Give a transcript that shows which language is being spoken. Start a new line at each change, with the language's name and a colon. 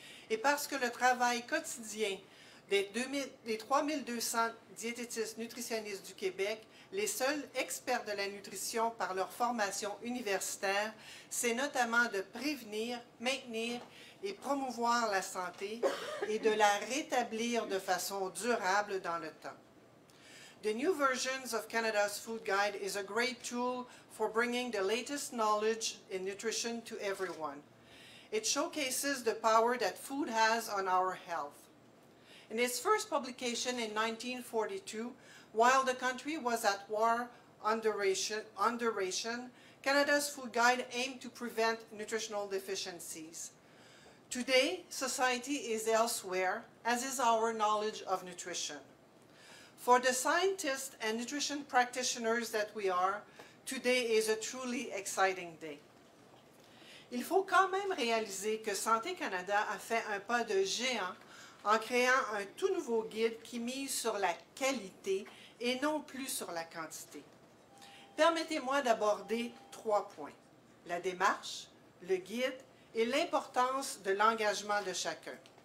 French: Et parce que le travail quotidien des 3200 diététistes nutritionnistes du Québec, les seuls experts de la nutrition par leur formation universitaire, c'est notamment de prévenir, maintenir et promouvoir la santé et de la rétablir de façon durable dans le temps.
English: The new versions of Canada's Food Guide is a great tool for bringing the latest knowledge in nutrition to everyone. It showcases the power that food has on our health. In its first publication in 1942, while the country was at war under ration, Canada's Food Guide aimed to prevent nutritional deficiencies. Today, society is elsewhere, as is our knowledge of nutrition. For the scientists and nutrition practitioners that we are, today is a truly exciting day.
French: Il faut quand même réaliser que Santé Canada a fait un pas de géant en créant un tout nouveau guide qui mise sur la qualité et non plus sur la quantité. Permettez-moi d'aborder trois points: la démarche, le guide et l'importance de l'engagement de chacun.